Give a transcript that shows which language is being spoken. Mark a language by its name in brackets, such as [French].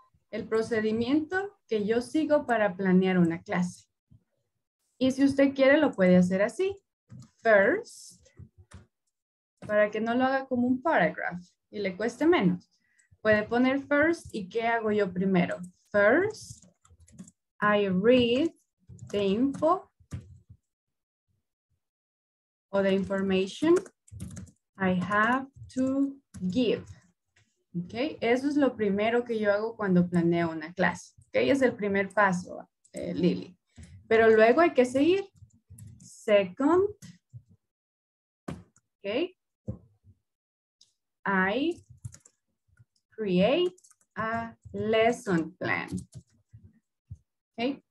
[Spanish] El procedimiento que yo sigo para planear una clase. Y si usted quiere, lo puede hacer así. First, para que no lo haga como un paragraph y le cueste menos. Puede poner first y qué hago yo primero. [English] First, I read the info o the information I have to give. [Spanish] Okay, eso es lo primero que yo hago cuando planeo una clase. Okay, es el primer paso, Lily. Pero luego hay que seguir. [English] Second, okay, I create a lesson plan. Okay.